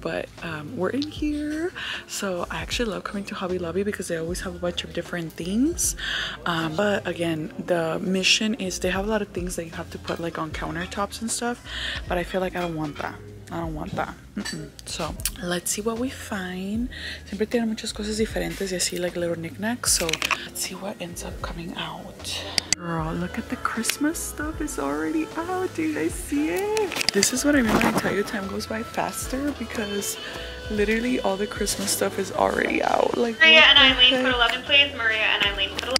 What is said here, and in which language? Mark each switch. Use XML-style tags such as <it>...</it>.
<en>But we're in here. So I actually love coming to Hobby Lobby because they always have a bunch of different things. But again, the mission is they have a lot of things that you have to put like on countertops and stuff. But I feel like I don't want that. I don't want that. So let's see what we find.</en> <es>Siempre tiene muchas cosas diferentes y así</es> <en>like little knickknacks. So let's see what ends up coming out. Girl, look at the Christmas stuff. It's already out. Do you guys see it? This is what I mean when I tell you time goes by faster, because literally all the Christmas stuff is already out. Like Maria and Eileen, put 11, please. Maria and Eileen, put 11.</en>